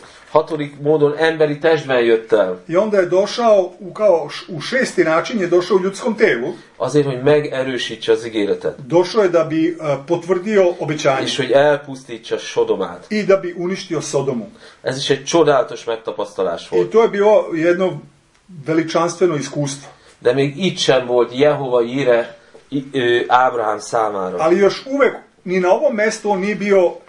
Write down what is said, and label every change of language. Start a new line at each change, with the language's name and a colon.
Hungarian: Hatodik módon emberi testben jött el.
Serbian: I onda je došao, kao u šesti način je došao u ljudskom telu.
Hungarian: Azért, hogy megerősítse az ígéretet.
Serbian: Došao je da bi potvrdio obećanje.
Hungarian: És hogy elpusztítsa Sodomát.
Serbian: I da bi uništio Sodomu.
Hungarian: Ez is egy csodálatos megtapasztalás volt.
Serbian: I to je bilo jedno veličanstveno iskustvo.
Hungarian: De még itt sem volt Jehova jire Ábrahám számára.
Serbian: Ali još uvek, ni na ovom mestu on nije bio...